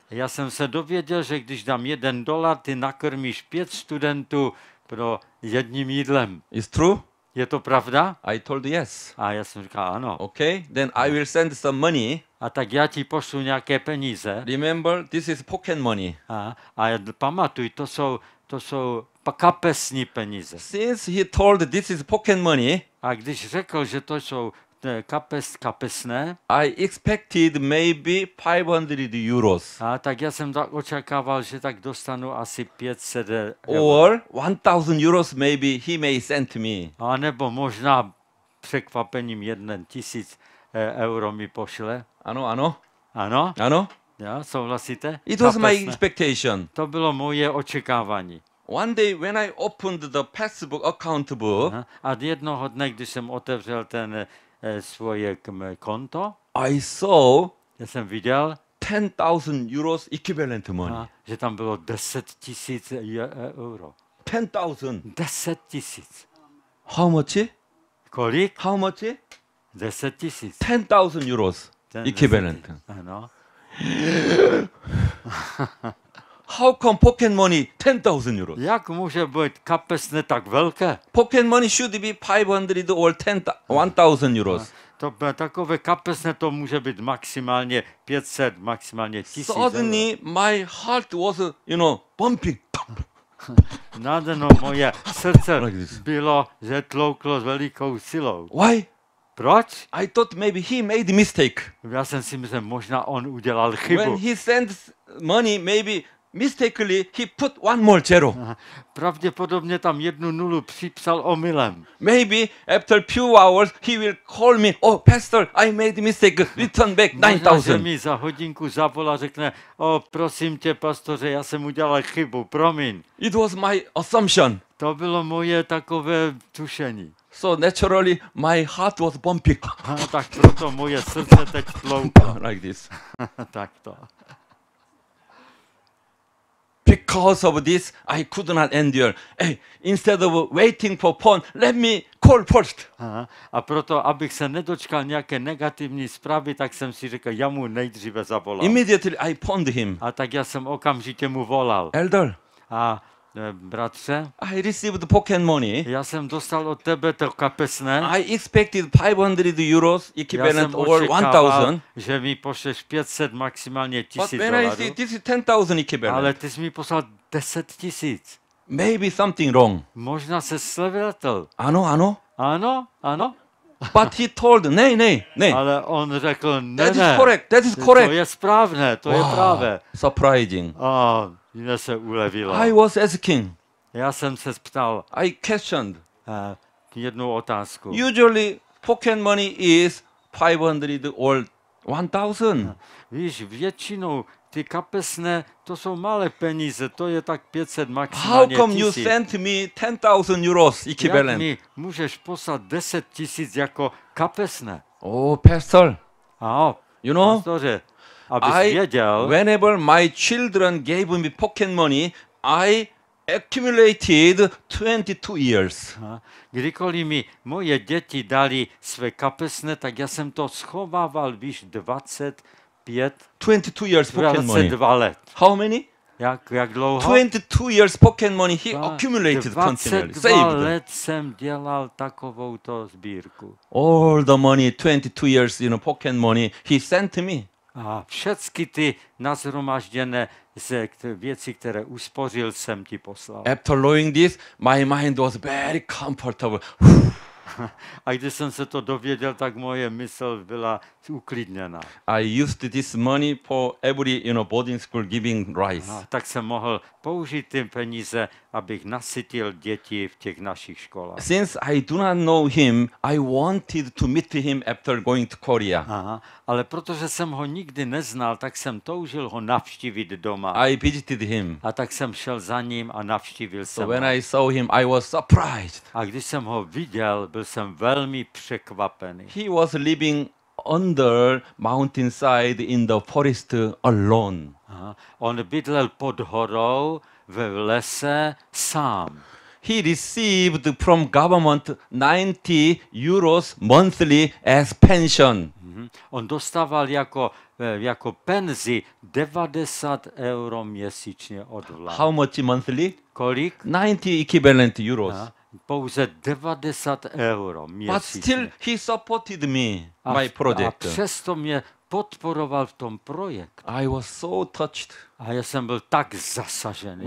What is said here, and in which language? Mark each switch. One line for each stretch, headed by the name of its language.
Czech: Já jsem se dověděl, že když dám $1, ty nakrmíš 5 studentů pro jedním jídlem.
English: Is true?
Czech: Je to pravda?
English: I told yes.
Czech: A já jsem říkal ano.
English: Okay, then I will send some money.
Czech: A tak já ti pošlu nějaké peníze.
English: Remember, this is pocket money.
Czech: A pamatuj, to jsou kapesní peníze.
English: Since he told this is pocket money,
Czech: a když řekl, že to jsou kapesné,
English: I expected maybe 500 euros.
Czech: A tak já jsem tak očekával, že tak dostanu asi 500 euro.
English: Or 1000 euros maybe he may send me.
Czech: A nebo možná překvapením 1000 euro mi pošle. Ano, ano. Ano? Ano. Já, souhlasíte?
English: It was my expectation.
Czech: To bylo moje očekávání.
English: One day when I opened the passbook account book,
Czech: a jednoho dne, když jsem otevřel ten svoje konto,
English: I saw,
Czech: já jsem viděl
English: 10,000 euros equivalent money.
Czech: Že tam bylo 10,000 euro. 10,000. 10,000.
English: How much?
Czech: Kolik?
English: How much? 10,000. 10,000 euros equivalent.
Czech: Ano.
English: How come pocket money 10,000 euros?
Czech: Jak může být kapesné tak velké?
English: Pocket money should be 500 or 1,000 euros.
Czech: To takové kapesné to může být maximálně 500, maximálně 1000.
English: Suddenly my heart was, you know, bumping.
Czech: Nadeno moje srdce bylo, že tlouklo s velikou silou.
English: Why?
Czech: Proč?
English: I thought maybe he made a mistake.
Czech: Já jsem si myslel, možná on udělal chybu.
English: When he sends money, maybe mistakenly he put one more zero.
Czech: Pravděpodobně tam jednu nulu připsal omylem.
English: Maybe after few hours he will call me. Oh, pastor, I made a mistake. Return back 9,000.
Czech: Možná, že mi za hodinku zavolá, řekne: "Oh, prosím tě, pastore, já jsem udělal chybu, promiň."
English: It was my assumption.
Czech: To bylo moje takové tušení.
English: So naturally my heart was bumping.
Czech: Tak proto moje srdce teď tlouklo.
English: Like this.
Czech: Tak to.
English: Because of this, I could not endure. Hey, instead of waiting for phone, let me call first.
Czech: A proto, abych se nedočkal nějaké negativní zprávy, tak jsem si řekl, já mu nejdříve zavolám.
English: Immediately I phoned him.
Czech: A tak já jsem okamžitě mu volal.
English: Elder.
Czech: A bratře.
English: I received pocket money.
Czech: Já jsem dostal od tebe to kapesné.
English: I expected 500 euros equivalent or 1,000.
Czech: Že mi pošleš 500, maximálně 1000 dolarů.
English: But when I see this is 10,000 equivalent.
Czech: Ale ty jsi mi poslal 10,000.
English: Maybe something wrong.
Czech: Možná se slevil. Ano, ano. Ano, ano.
English: But he told,
Czech: nej. Ale on řekl, ne,
English: that is correct, that is correct.
Czech: To je správné, to je právě.
English: Surprising.
Czech: Mně se ulevilo.
English: I was asking.
Czech: Já jsem se ptal.
English: I questioned.
Czech: Jednu otázku.
English: Usually pocket money is 500 or 1,000.
Czech: Víš, většinou ty kapesné, to jsou malé peníze, to je tak 500 maximálně.
English: How come you sent me 10,000 euros equivalent?
Czech: Jak mi můžeš poslat 10,000 jako kapesné?
English: Oh, pastor. You know?
Czech: Pastore, abys věděl,
English: whenever my children gave me pocket money, I accumulated 22 years.
Czech: Kdykoliv mi moje děti dali své kapesné, tak já jsem to schovával, víš, 25.
English: 22 years pocket money.
Czech: 22 let.
English: How many?
Czech: Jak dlouho?
English: 22 years pocket money he accumulated continuously.
Czech: 22 let jsem dělal takovou to sbírku.
English: All the money, 22 years, you know, pocket money he sent me.
Czech: A všechny ty nashromážděné věci, které uspořil, jsem ti poslal.
English: After knowing this, my mind was very comfortable.
Czech: A když jsem se to dověděl, tak moje mysl byla uklidněna.
English: I used this money for every, you know, boarding school giving rice.
Czech: A tak jsem mohl použít ty peníze, abych nasytil děti v těch našich školách.
English: Since I do not know him, I wanted to meet him after going to Korea.
Czech: Aha, ale protože jsem ho nikdy neznal, tak jsem toužil ho navštívit doma.
English: I visited him.
Czech: A tak jsem šel za ním a navštívil jsem ho.
English: When I saw him, I was surprised.
Czech: A když jsem ho viděl, byl jsem velmi překvapený.
English: He was living under mountainside in the forest alone.
Czech: On bydlel pod horou ve lese sám.
English: He received from government 90 euros monthly as pension.
Czech: On dostával jako penzi 90 euro měsíčně od vlády.
English: How much monthly?
Czech: Kolik?
English: 90 equivalent euros.
Czech: Pouze 90 euro měsíčně.
English: But still he supported me, my project.
Czech: A přesto mě podporoval v tom projektu.
English: I was so touched.
Czech: A já jsem byl tak zasažený.